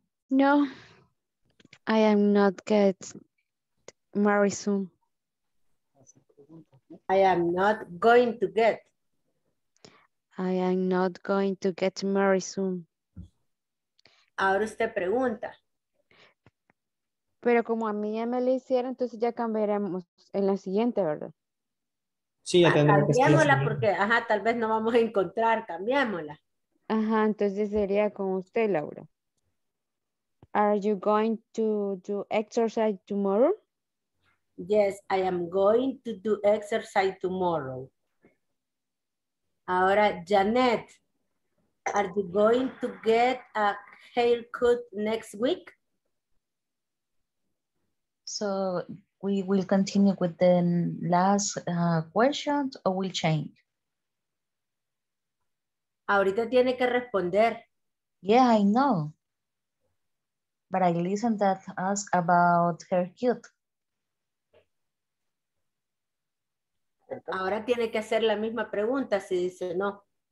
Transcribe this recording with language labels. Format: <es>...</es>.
<en>No, I am not get married soon. I am not going to get. I am not going to get married soon.</en> <es>Ahora usted pregunta. Pero como a mí ya me lo hicieron, entonces ya cambiaremos en la siguiente, ¿verdad? Sí, ya tendremos. Cambiémosla porque, tal vez no vamos a encontrar, cambiémosla. Ajá, entonces sería con usted,</es> <en>Laura. Are you going to do exercise tomorrow? Yes, I am going to do exercise tomorrow.</en> <es>Ahora,</es> <en>Janet, are you going to get a haircut next week? So we will continue with the last question or will change?</en> <es>Ahorita tiene que responder.</es> <en>Yeah, I know. But I listened that ask about her cute.</en> <es>Ahora tiene que hacer la misma pregunta si dice no.</es>